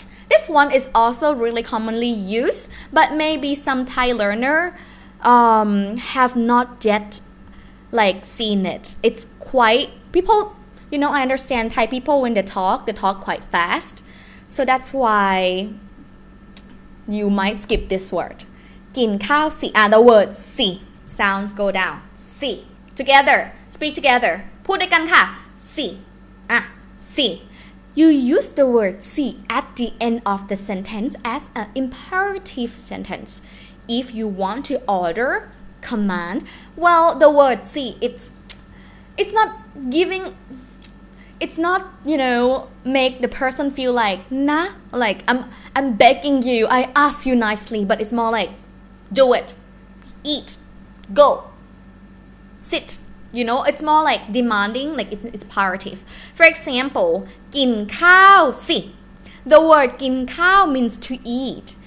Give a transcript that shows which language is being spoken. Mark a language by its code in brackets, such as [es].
[en] This one is also really commonly used, but maybe some Thai learner have not yet like seen it. It's quite people, you know, I understand Thai people when they talk quite fast. So that's why you might skip this word. [th] กินข้าวสิ [en] the word สิ sounds go down. สิ together, speak together. [th] พูดด้วยกันค่ะ [en] See. See. You use the word see at the end of the sentence as an imperative sentence. If you want to order, command, well, the word see, it's not giving, it's not, you know, make the person feel like, nah, like I'm begging you, I ask you nicely, but it's more like, do it, eat, go, sit. You know, it's more like demanding, like it's imperative. For example, [th] กินข้าวสิ [en] The word กินข้าว means to eat.